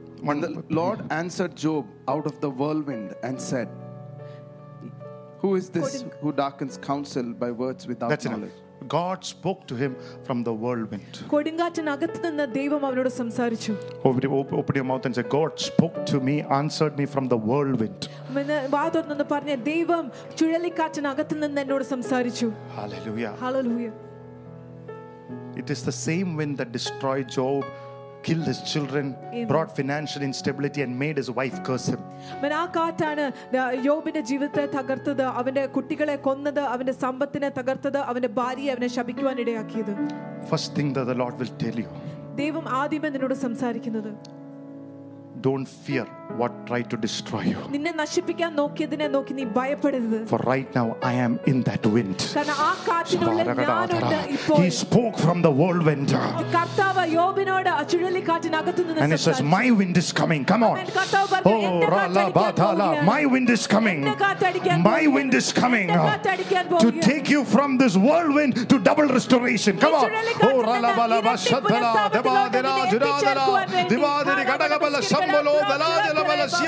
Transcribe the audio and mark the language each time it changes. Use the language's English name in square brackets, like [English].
[English] When the Lord answered Job out of the whirlwind and said, who is this who darkens counsel by words without That's knowledge enough. God spoke to him from the whirlwind. [Malayalam] Kodingaatinagathu ninna devam avanodu samsarichu. [English] Open your mouth and say, God spoke to me, answered me from the whirlwind. [Malayalam] മെന്ന വാദർന്നെന്ന് പറഞ്ഞ ദൈവം ചുഴലിക്കാറ്റിന് അകത്തു നിന്ന് എന്നോട് സംസാരിച്ചു. [English] Hallelujah. Hallelujah. It is the same wind that destroyed Job, killed his children, Amen. Brought financial instability and made his wife curse him. [Malayalam] മെന്ന ആ കാറ്റാണ് യോബിന്റെ ജീവിതത്തെ തകർത്തത്, അവന്റെ കുട്ടികളെ കൊന്നത്, അവന്റെ സമ്പത്തിനെ തകർത്തത്, അവന്റെ ഭാര്യയെ അവനെ ശപിക്കുവാൻ ഇടയാക്കിയത്. [English] First thing that the Lord will tell you. [Malayalam] ദൈവം ആദ്യമേ നിന്നോട് സംസാരിക്കുന്നത്. [English] Don't fear what try to destroy you. [Malayalam] നിന്നെ നശിപ്പിക്കാൻ നോക്കിയതിനെ നോക്കി നീ ഭയപ്പെടരുത്. [English] For right now I am in that wind. [Malayalam] കാരണം ആ കാറ്റിനുള്ളിൽ ഞാനുണ്ട് ഇപ്പോൾ. [English] He spoke from the whirlwind. [Malayalam] കർത്താവ് യോബിനോട് ചുഴലിക്കാറ്റിനകത്തു നിന്ന് സംസാരിച്ചു. [English] And he says, my wind is coming. Come on. ഓ റല്ലാ ബാതാലാ. My wind is coming. My wind is coming. To take you from this whirlwind to double restoration. Come on. ഓ റല്ലാ ബാലാ ബാ ശതലാ ദേവാദിരാ ജുരാദരാ ദിവാദിരി കടകബല സംബലോ ദലാജലബല